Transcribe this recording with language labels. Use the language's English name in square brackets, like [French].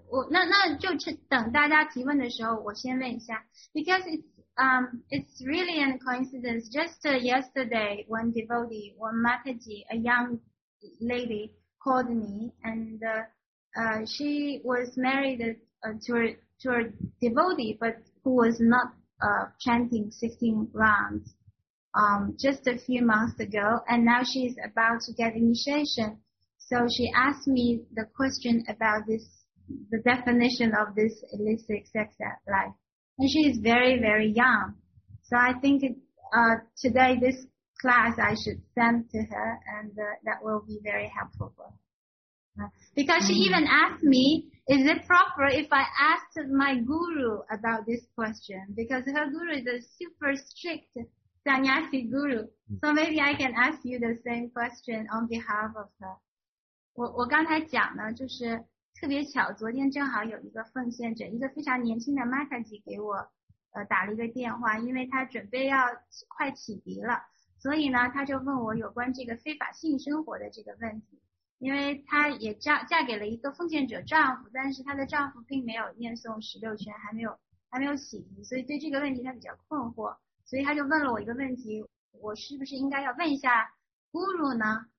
[Chinese] 那就等大家提问的时候我先问一下。 [English] Because it's really a coincidence. Just yesterday, one devotee, one Mataji, a young lady, called me, and she was married to a devotee, but who was not chanting 16 rounds just a few months ago, and now she's about to get initiation. So she asked me the question about this, the definition of this illicit sex life. And she is very, very young. So I think today, this class, I should send to her, and that will be very helpful for her. Because she even asked me, is it proper if I asked my guru about this question? Because her guru is a super strict sannyasi guru. So maybe I can ask you the same question on behalf of her. [Chinese] 我刚才讲呢，就是特别巧，昨天正好有一个奉献者，一个非常年轻的 Mataji 给我打了一个电话，因为他准备要快启迪了，所以呢他就问我有关这个非法性生活的这个问题。因为他也嫁给了一个奉献者丈夫，但是他的丈夫并没有念诵十六圈，还没有启迪，所以对这个问题他比较困惑，所以他就问了我一个问题，我是不是应该要问一下 Guru 呢？